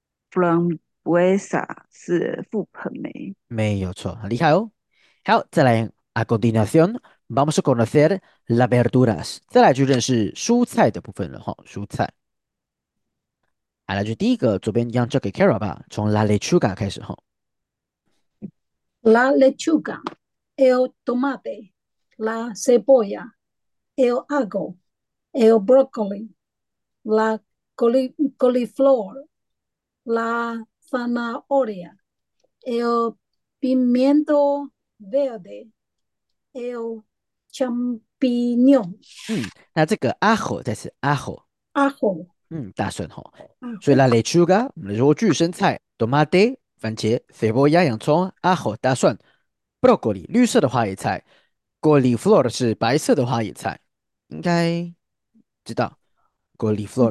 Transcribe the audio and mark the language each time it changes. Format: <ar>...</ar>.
<zh>Frambuesa 是覆盆莓。没有错，很厉害哦。好，再来，</zh> <es>a continuación vamos a conocer las verduras。</es> <zh>再来就认识蔬菜的部分了哈，蔬菜。好，那就第一个，左边一样交给 Kara 吧，从 la lechuga 开始哈。</zh> <es>La lechuga, el tomate, la cebolla, el ajo, el brócoli, la coliflor, la zanahoria, el pimiento verde, el champiñón,</es> <zh>那这个 ajo 再次 ajo，</zh> <es>ajo,</es> <zh>大蒜吼，所以 la lechuga 莴苣生菜，tomate 番茄，cebolla 洋葱，ajo 大蒜，broccoli 绿色的花椰菜，coliflor 是白色的花椰菜，应该知道 coliflor</zh>